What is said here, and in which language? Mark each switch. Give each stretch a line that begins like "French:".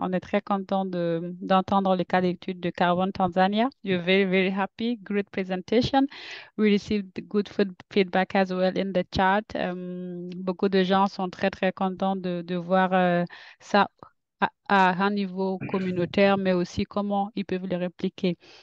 French: On est très content d'entendre le cas d'étude de Carbon Tanzania.
English: You're very, very happy. Great presentation. We received good feedback as well in the chat.
French: Beaucoup de gens sont très, très contents de voir ça à un niveau communautaire, mais aussi comment ils peuvent le répliquer.